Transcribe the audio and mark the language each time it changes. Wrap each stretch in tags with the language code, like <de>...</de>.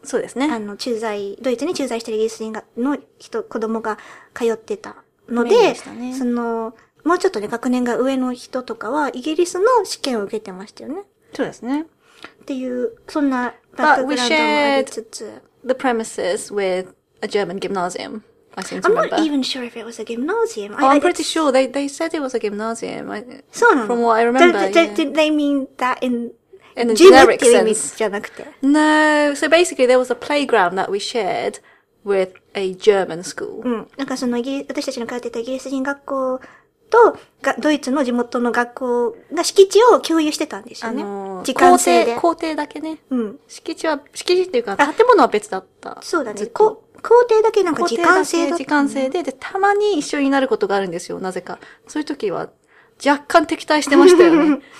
<ja>そうですね。駐在、ドイツに駐在してるイギリス人の人、子供が通ってたので、その、もうちょっとね、学年が上の人とかは、イギリスの試験を受けてましたよね。そうですね。っていう、そんなバックグラウンドもありつつ。</ja> <en>The premises with a German gymnasium, I seem to remember. I'm not even sure if it was a gymnasium. I'm pretty sure they said it was a gymnasium.</en> <ja>そうなの?</ja> <en>From what I remember. Did they mean that in a generic sense?</en> <ja>じゃなくて。</ja> <en>No, so basically there was a playground that we shared with a German school.</en> <ja>うん。なんかその、私たちの通ってたイギリス人学校、とドイツの地元の学校が敷地を共有してたんですよね。時間制で校庭だけね。うん。敷地っていうか建物は別だった。そうだね。校庭だけなんか時間制だった、ね。時間制でたまに一緒になることがあるんですよ。なぜかそういう時は若干敵対してましたよね。</ja>